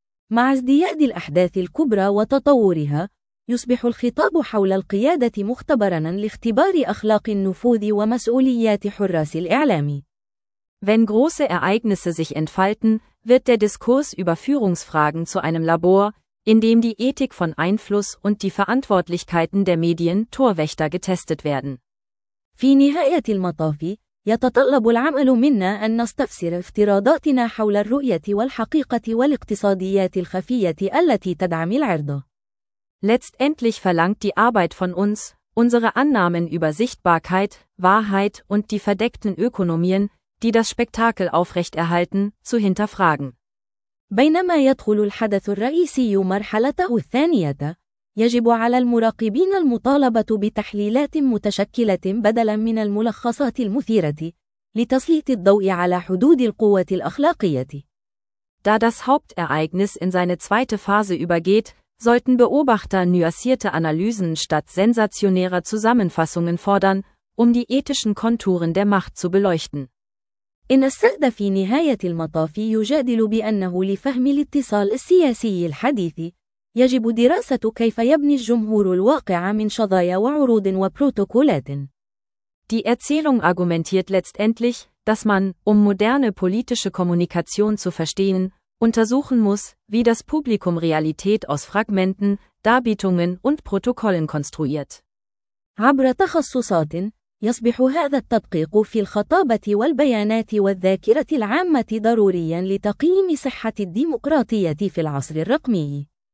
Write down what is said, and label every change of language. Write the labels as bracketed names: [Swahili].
[Arabic] مع ازدياد الأحداث الكبرى وتطورها، يصبح الخطاب حول القيادة مختبراً لاختبار أخلاق النفوذ ومسؤوليات حراس الإعلام. [German] Wenn große Ereignisse sich entfalten, wird der Diskurs über Führungsfragen zu einem Labor, in dem die Ethik von Einfluss und die Verantwortlichkeiten der Medien Torwächter getestet werden. [Arabic] في نهاية المطاف، يتطلب العمل منا أن نستفسر افتراضاتنا حول الرؤية والحقيقة والاقتصاديات الخفية التي تدعم العرض. [German] Letztendlich verlangt die Arbeit von uns, unsere Annahmen über Sichtbarkeit, Wahrheit und die verdeckten Ökonomien, die das Spektakel aufrechterhalten, zu hinterfragen. [Arabic] بينما يدخل الحدث الرئيسي مرحلته الثانية، يجب على المراقبين المطالبة بتحليلات متشكلة بدلا من الملخصات المثيرة لتسليط الضوء على حدود القوة الأخلاقية. [German] Da das Hauptereignis in seine zweite Phase übergeht, sollten Beobachter nuancierte Analysen statt sensationärer Zusammenfassungen fordern, um die ethischen Konturen der Macht zu beleuchten. [Arabic] إن السرد في نهاية المطاف يجادل بأنه لفهم الاتصال السياسي الحديث، يجب دراسة كيف يبني الجمهور الواقع من شظايا وعروض وبروتوكولات. [German] Die Erzählung argumentiert letztendlich, dass man, um moderne politische Kommunikation zu verstehen, untersuchen muss, wie das Publikum Realität aus Fragmenten, Darbietungen und Protokollen konstruiert. [Arabic] عبر تخصصات، يصبح هذا التدقيق في الخطابة والبيانات والذاكرة العامة ضرورياً لتقييم صحة الديمقراطية في العصر الرقمي.